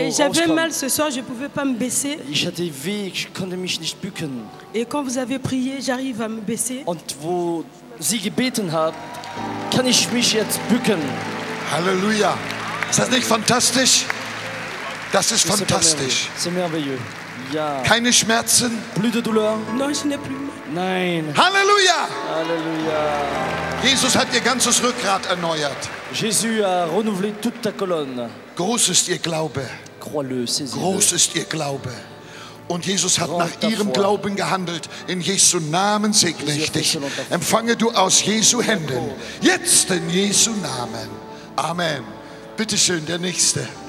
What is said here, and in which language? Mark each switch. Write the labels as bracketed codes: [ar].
[fr] j'avais mal ce soir, je pouvais pas me baisser. [de] Ich hatte weh, ich konnte mich nicht bücken. [fr] Et quand vous avez prié, j'arrive à me baisser. [de] Und wo Sie gebeten haben, kann ich mich jetzt bücken. Halleluja. Ist das nicht fantastisch? Das ist fantastisch. [fr] C'est merveilleux. [de] Ja. Keine Schmerzen? [fr] Plus de douleur. Non, je n'ai plus. [de] Nein. Halleluja! Halleluja. Jesus hat ihr ganzes Rückgrat erneuert. [fr] Jésus a renouvelé toute ta colonne. [de] Groß ist ihr Glaube. [fr] Crois-le, saisis-le. [de] Groß ist ihr Glaube. Und Jesus hat nach ihrem Glauben gehandelt. In Jesu Namen segne ich dich. Empfange du aus Jesu Händen. Jetzt in Jesu Namen. Amen. Bitteschön, der Nächste.